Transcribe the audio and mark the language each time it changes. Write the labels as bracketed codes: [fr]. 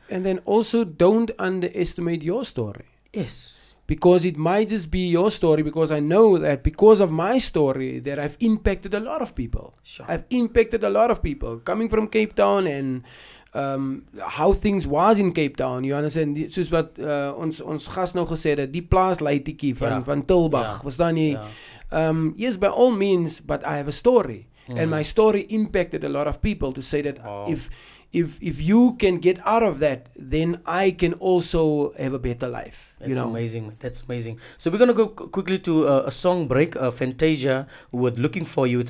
[en] And then also don't underestimate your story. Yes. Because it might just be your story, because I know that because of my story that I've impacted a lot of people. Sure. I've impacted a lot of people coming from Cape Town and... how things was in Cape Town, you understand? [af] Soos wat ons gast nou gesê het, die plaas leitiekie van Tilbag, verstaan jy? [en] Yes, by all means, but I have a story. Mm-hmm. And my story impacted a lot of people to say that if you can get out of that, then I can also have a better life. That's amazing. So we're going to go quickly to a song break, Fantasia with Looking For You.